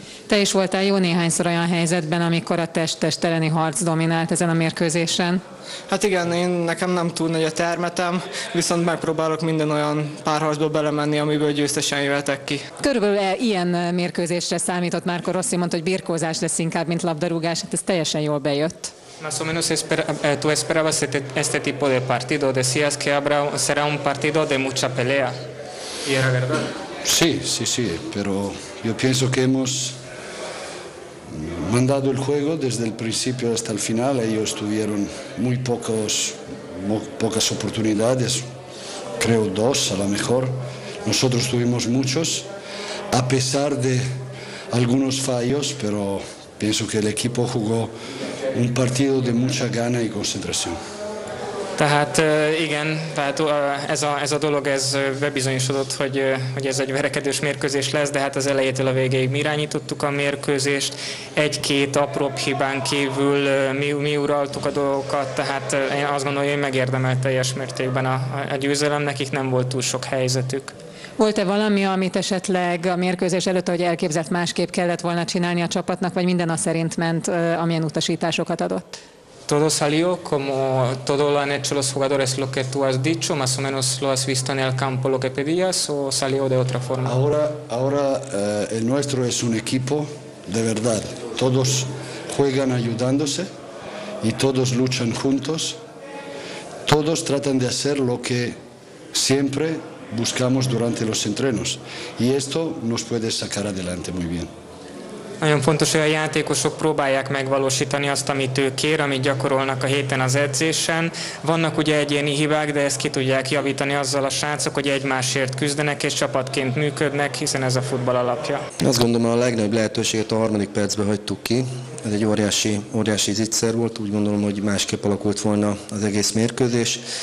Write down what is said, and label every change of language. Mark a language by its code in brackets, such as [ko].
[hu] Te is voltál jó néhányszor olyan helyzetben, amikor a testtesteleni harc dominált ezen a mérkőzésen? Hát igen, én nekem nem túl nagy a termetem, viszont megpróbálok minden olyan párharcba belemenni, amiből győztesen jöhetek ki. Körülbelül ilyen mérkőzésre számított Marco Rossi, mondta, hogy birkózás lesz inkább, mint labdarúgás, hát ez teljesen jól bejött. [es] Más o menos tú esperabas este tipo de partido, decías que será un partido de mucha pelea. ¿Y era verdad? Sí, sí, sí, pero yo pienso que hemos mandado el juego desde el principio hasta el final. Ellos tuvieron muy pocas oportunidades, creo dos a lo mejor. Nosotros tuvimos muchos, a pesar de algunos fallos, pero pienso que el equipo jugó un partido de mucha gana y concentración. [hu] Tehát igen, tehát ez a dolog, ez bebizonyosodott, hogy ez egy verekedős mérkőzés lesz, de hát az elejétől a végéig mi irányítottuk a mérkőzést, egy-két apróbb hibán kívül mi uraltuk a dolgokat, tehát én azt gondolom, hogy megérdemelt teljes mértékben a győzelem, nekik nem volt túl sok helyzetük. Volt-e valami, amit esetleg a mérkőzés előtt, ahogy elképzelt, másképp kellett volna csinálni a csapatnak, vagy minden a szerint ment, amilyen utasításokat adott? [es] Todo salió como todo lo han hecho los jugadores, lo que tú has dicho, más o menos lo has visto en el campo, lo que pedías, o salió de otra forma. Ahora, el nuestro es un equipo de verdad. Todos juegan ayudándose y todos luchan juntos. Todos tratan de hacer lo que siempre buscamos durante los entrenos. Y esto nos puede sacar adelante muy bien. [hu] Nagyon fontos, hogy a játékosok próbálják megvalósítani azt, amit ő kér, amit gyakorolnak a héten az edzésen. Vannak ugye egyéni hibák, de ezt ki tudják javítani azzal a srácok, hogy egymásért küzdenek és csapatként működnek, hiszen ez a futball alapja. Azt gondolom, a legnagyobb lehetőséget a harmadik percben hagytuk ki. Ez egy óriási zicser volt, úgy gondolom, hogy másképp alakult volna az egész mérkőzés.